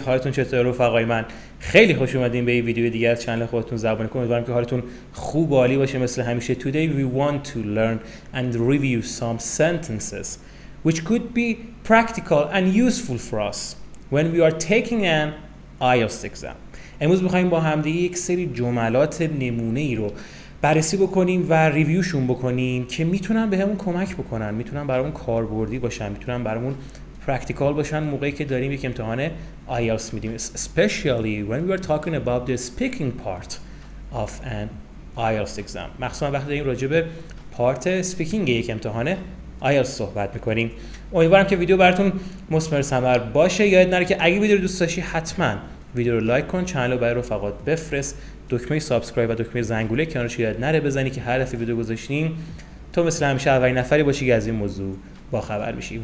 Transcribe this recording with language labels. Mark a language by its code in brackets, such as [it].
[fa] حالتون چطور رفقای من؟ خیلی خوش اومدین به این ویدیو دیگه از چنل خودتون زبانیکو. امیدوارم که حالتون خوب و عالی باشه مثل همیشه. [en] Today we want to learn and review some sentences which could be practical and useful for us when we are taking an IELTS exam. [fa] امروز می‌خوایم با هم دیگه یک سری جملات نمونه‌ای رو بررسی بکنیم و ریویوشون بکنیم که میتونن به همون کمک بکنن، میتونن برامون کاربردی باشن، میتونن برامون پرکتیکال باشن موقعی که داریم یک امتحان IELTS میدیم. [en] Especially when we are talking about the speaking part of an IELTS exam. [fa] مخصوصا وقتی داریم راجع به پارت speaking یک امتحان IELTS صحبت میکنیم. امیدوارم که ویدیو براتون مثمر ثمر باشه. یاد نره که اگه ویدیو رو دوست داشتی حتما ویدیو رو لایک کن، چنل رو برای رفقات بفرست، دکمه سابسکرایب و دکمه زنگوله کنارش یاد نره بزنی که هر دفعه ویدیو گذاشتیم تو مثل همیشه اولین نفری باشی که از این موضوع باخبر میشی.